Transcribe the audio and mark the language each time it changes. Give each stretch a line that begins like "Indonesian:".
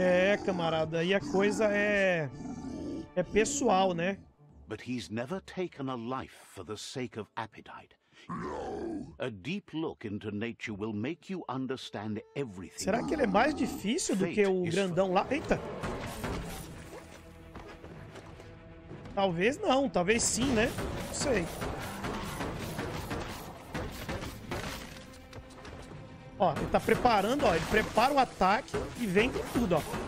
Portuguese: É, camarada, aí a coisa é pessoal, né?
English: But he's never taken a life for the sake of appetite. A deep look into nature will make you understand everything.
Portuguese: Será que ele é mais difícil do que o grandão lá? Eita! Talvez não, talvez sim, né? Não sei. Ó, ele tá preparando, ó. Ele prepara o ataque e vem com tudo, ó.